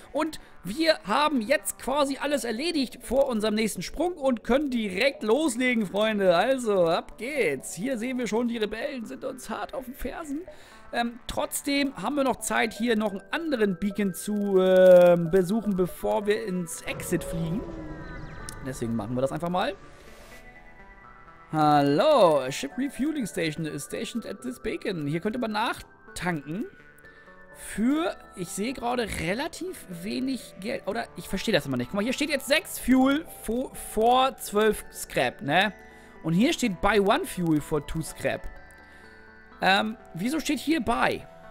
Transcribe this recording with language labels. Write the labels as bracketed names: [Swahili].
[German] Und wir haben jetzt quasi alles erledigt vor unserem nächsten Sprung und können direkt loslegen, Freunde. Also, ab geht's. Hier sehen wir schon, die Rebellen sind uns hart auf den Fersen. Trotzdem haben wir noch Zeit, hier noch einen anderen Beacon zu besuchen, bevor wir ins Exit fliegen. Deswegen machen wir das einfach mal. [English] Hallo, Ship Refueling Station is stationed at this Beacon. [German] Hier könnte man nachtanken für, ich sehe gerade, relativ wenig Geld. Oder, ich verstehe das immer nicht. Guck mal, hier steht jetzt 6 Fuel vor 12 Scrap, ne? Und hier steht [English] Buy 1 Fuel for 2 Scrap. [German] Wieso steht hier bei?